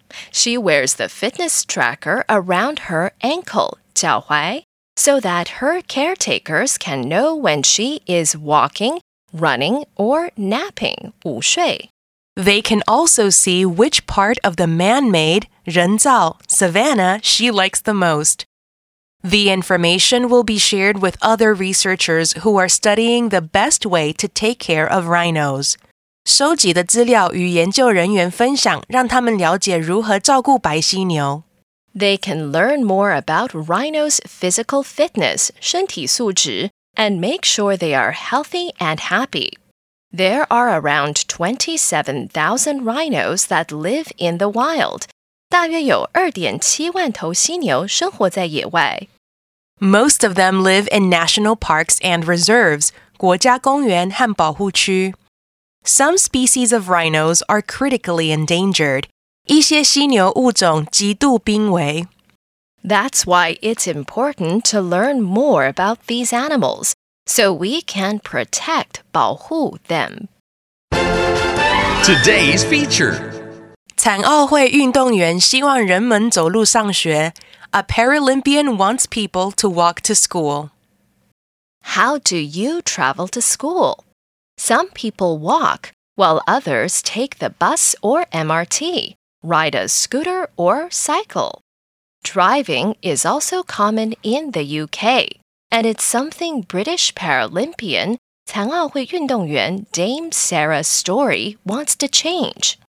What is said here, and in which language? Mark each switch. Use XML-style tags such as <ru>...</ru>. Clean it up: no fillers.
<en>She wears the fitness tracker around her ankle, 脚踝, so that her caretakers can know when she is walking, running, or napping, 午睡. They can also see which part of the man-made, 人造, savannah she likes the most. The information will be shared with other researchers who are studying the best way to take care of rhinos.</en> <zh>收集的资料与研究人员分享，让他们了解如何照顾白犀牛。</zh> <en>They can learn more about rhinos' physical fitness, 身体素质, and make sure they are healthy and happy. There are around 27,000 rhinos that live in the wild.</en> <zh>大约有 2.7 万头犀牛生活在野外。</zh> <en>Most of them live in national parks and reserves,</en> <zh>国家公园和保护区。</zh> <en>Some species of rhinos are critically endangered.</en> <zh>一些犀牛物种极度濒危。</zh> <en>That's why it's important to learn more about these animals, so we can protect, 保护 them. Today's feature.</en> <zh>残奥会运动员希望人们走路上学。</zh> <en>A Paralympian wants people to walk to school. How do you travel to school? Some people walk, while others take the bus or MRT, ride a scooter or cycle. Driving is also common in the UK, and it's something British Paralympian 残奥会运动员 Dame Sarah Story wants to change.</en>